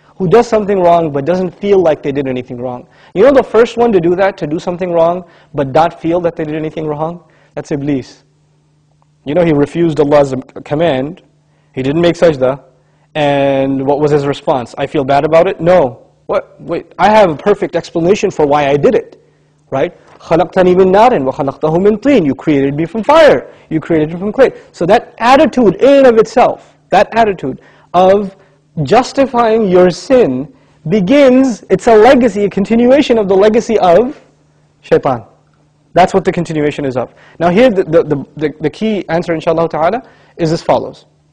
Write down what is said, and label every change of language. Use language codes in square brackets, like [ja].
[en] Who does something wrong but doesn't feel like they did anything wrong. You know the first one to do that, to do something wrong but not feel that they did anything wrong? That's Iblis. You know, he refused Allah's command. He didn't make sajda. And what was his response? I feel bad about it? No. What? Wait, I have a perfect explanation for why I did it. Right? [ar] خَلَقْتَنِي مِن نَارٍ وَخَلَقْتَهُ مِن طِينٍ [en] You created me from fire. You created me from clay. So that attitude in and of itself, that attitude of justifying your sin begins, it's a legacy, a continuation of the legacy of shaitan. That's what the continuation is of. Now here, the key answer, inshallah ta'ala, is as follows.